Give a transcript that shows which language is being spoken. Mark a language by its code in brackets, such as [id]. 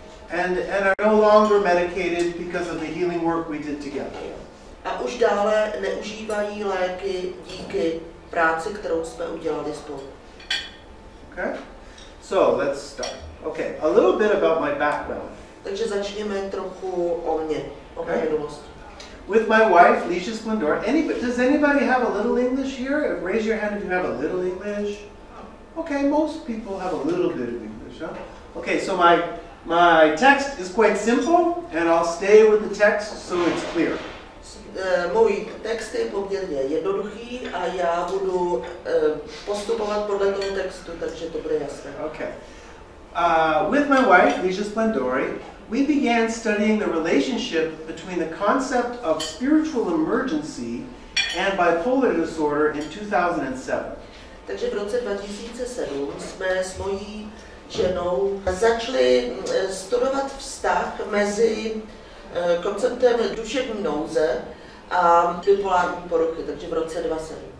[en] And are no longer medicated because of the healing work we did together. [cs] A už dále neužívají léky díky práci, kterou jsme udělali spolu. [en] Okay, so let's start. Okay, a little bit about my background. [cs] Takže začněme trochu o mně, o mé minulosti. [en] With my wife, Alicia Splendor. Does anybody have a little English here? Raise your hand if you have a little English. Okay, most people have a little bit of English, huh? Okay, so my text is quite simple, and I'll stay with the text so it's clear. [cs] Můj text je poměrně jednoduchý a já budu postupovat podle toho textu, takže to bude jasné. [en] Okay. With my wife, Alicia Splendori, we began studying the relationship between the concept of spiritual emergency and bipolar disorder in 2007. [cs] Takže v roce 2007 jsme s mojí ženou začali studovat vztah mezi konceptem duševní nouze a bipolární poruchy, takže v roce 2007.